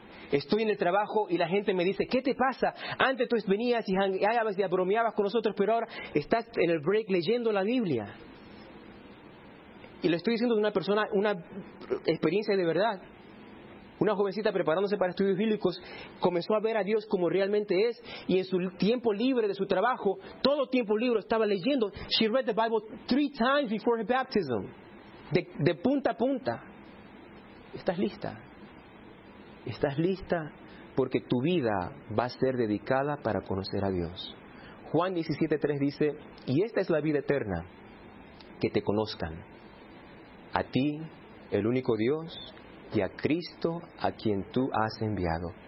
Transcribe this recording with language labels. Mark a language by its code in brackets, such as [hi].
[es] Estoy en el trabajo y la gente me dice, ¿qué te pasa? Antes tú venías y hangueabas y bromeabas con nosotros, pero ahora estás en el break leyendo la Biblia. Y le estoy diciendo de una persona, una experiencia de verdad. Una jovencita preparándose para estudios bíblicos comenzó a ver a Dios como realmente es, y en su tiempo libre de su trabajo, todo tiempo libre estaba leyendo. [en] She read the Bible 3 times before her baptism. [es] De punta a punta. ¿Estás lista? ¿Estás lista? Porque tu vida va a ser dedicada para conocer a Dios. Juan 17:3 dice, y esta es la vida eterna, que te conozcan a ti, el único Dios, y a Cristo a quien tú has enviado.